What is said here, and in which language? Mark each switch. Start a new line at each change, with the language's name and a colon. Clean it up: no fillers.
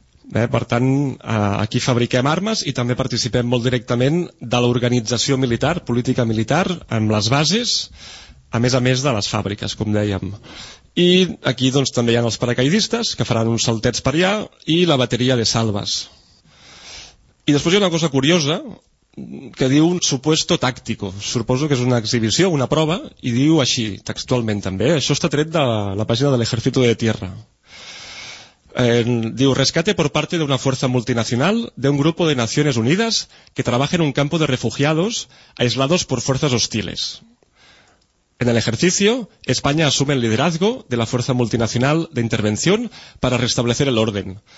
Catalan: Per tant, aquí fabriquem armes i també participem molt directament de l'organització militar, política militar, amb les bases, a més de les fàbriques, com dèiem. I aquí doncs, també hi ha els paracaidistes, que faran uns saltets per allà, i la bateria de salves. I després hi ha una cosa curiosa, que diu
Spanish: un supuesto táctico.
Catalan: Suposo que és una exhibició, una prova, i diu així, textualment també. Això està tret de la pàgina de l'Ejército de Tierra.
Spanish: Diu, rescate por parte de una fuerza multinacional de un grupo de Naciones Unidas que trabaja en un campo de refugiados aislados por fuerzas hostiles. En el ejercicio, España asume el liderazgo de la fuerza multinacional de intervención para restablecer el orden.